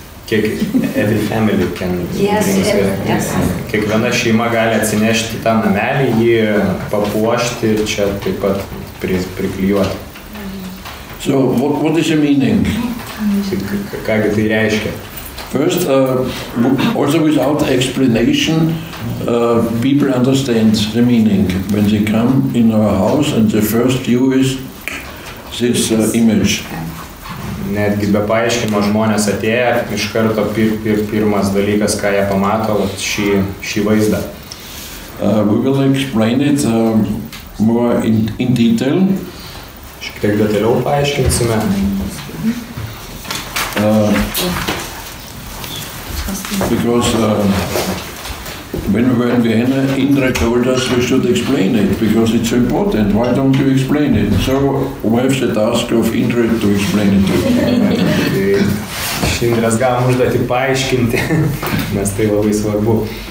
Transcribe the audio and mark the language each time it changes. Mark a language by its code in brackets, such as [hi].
[lt] Kiek [en] every family can [lt] kiekviena šeima gali atsinešti tą namelį, jį papuošti ir čia taip pat priklijuoti. [en] So, what is the meaning? [lt] Ką tai reiškia? [en] First, also without explanation, people understand the meaning when they come in our house and the first view is this image. [lt] Netgi be paaiškimo žmonės atėję, iš karto pirmas dalykas, ką jie pamato, šį vaizdą. [en] We will explain it more in detail. [lt] Šiek tiek detaliau paaiškinsime. [en] Because when we were in Vienna, Indra told us we should explain it because it's important. Why don't you explain it? So we have the task of Indra to explain it to you. [lt] Indras gavom užduoti paaiškinti, nes tai labai svarbu.